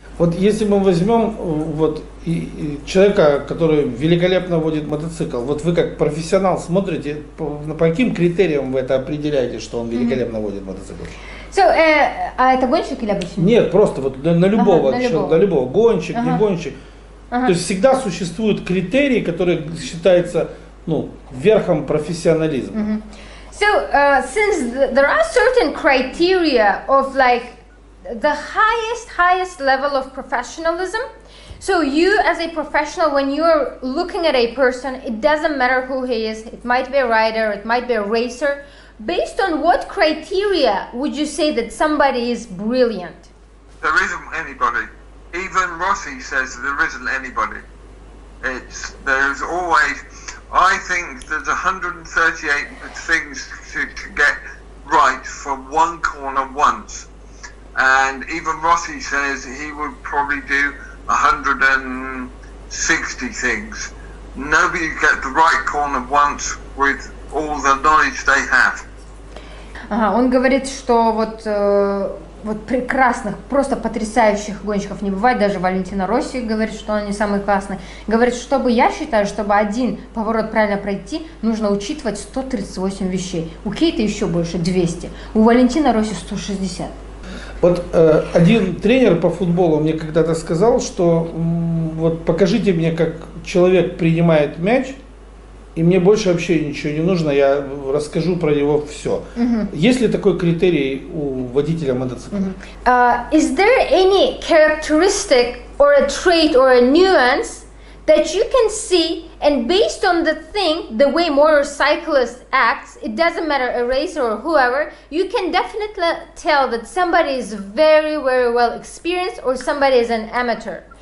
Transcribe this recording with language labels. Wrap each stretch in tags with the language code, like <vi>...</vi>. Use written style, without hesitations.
<ru>Вот если мы возьмем вот человека, который великолепно водит мотоцикл, вот вы как профессионал смотрите, по каким критериям вы это определяете, что он великолепно водит мотоцикл? А это гонщик или обычный? Нет, просто вот на любого, на любого. Гонщик, не гонщик. То есть всегда существуют критерии, которые считаются, ну, верхом профессионализма.</ru> <en>Since there are certain criteria of like the highest level of professionalism, so you as a professional, when you're looking at a person, it doesn't matter who he is, it might be a rider, it might be a racer, based on what criteria would you say that somebody is brilliant? There isn't anybody. Even Rossi says there isn't anybody. There's always, I think there's 138 things to get right for one corner once. And even Rossi says he would probably do 160 things. Nobody gets the right corner once with all the knowledge they have.</en> <ru>Он говорит, что вот, вот прекрасных, просто потрясающих гонщиков не бывает. Даже Валентина Росси говорит, что они самые классные. Говорит, чтобы я считаю, чтобы один поворот правильно пройти, нужно учитывать 138 вещей. У Кейта еще больше, 200. У Валентина Росси 160. Вот один тренер по футболу мне когда-то сказал, что вот покажите мне, как человек принимает мяч, и мне больше вообще ничего не нужно, я расскажу про него все. Есть ли такой критерий у водителя мотоцикла?</ru> <en>Is there any characteristic or a trait or a nuance that you can see and based on the thing, the way motorcyclist acts, it doesn't matter a racer or whoever, you can definitely tell that somebody is very, very well experienced or somebody is an amateur.</en>